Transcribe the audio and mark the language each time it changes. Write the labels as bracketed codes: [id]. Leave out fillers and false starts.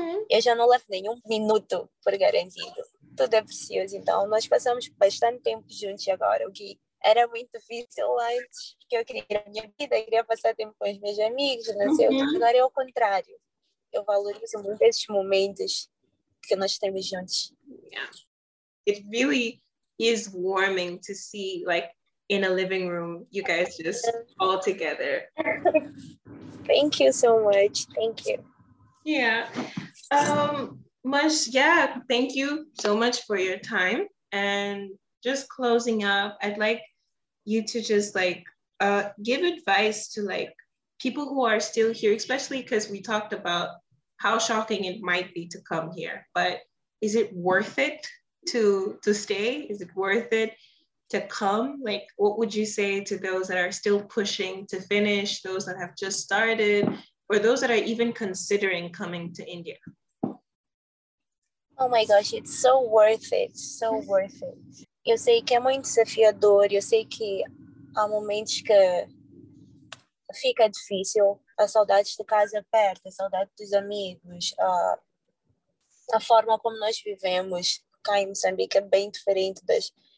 [pt] Eu já não levo nenhum minuto por garantido, tudo é precioso, então nós passamos bastante tempo juntos agora, o que era muito difícil antes, porque eu queria ir à minha vida, eu queria passar tempo com os meus amigos, não sei, agora é o contrário. Eu valorizo muito esses momentos que nós temos juntos. [en] Yeah. It really is warming to see, like, in a living room, you guys just all together. Thank you so much. Thank you. Yeah. Thank you so much for your time. And just closing up, I'd like you to just, like, give advice to, like, people who are still here, especially because we talked about how shocking it might be to come here, but is it worth it to stay? Is it worth it to come? Like, what would you say to those that are still pushing to finish, those that have just started, or those that are even considering coming to India? Oh my gosh, it's so worth it, so worth it. [pt] Eu sei que é muito desafiador, eu sei que há momentos que fica difícil, a saudade de casa aperta, a saudade dos amigos, a forma como nós vivemos cá em Moçambique é bem diferente das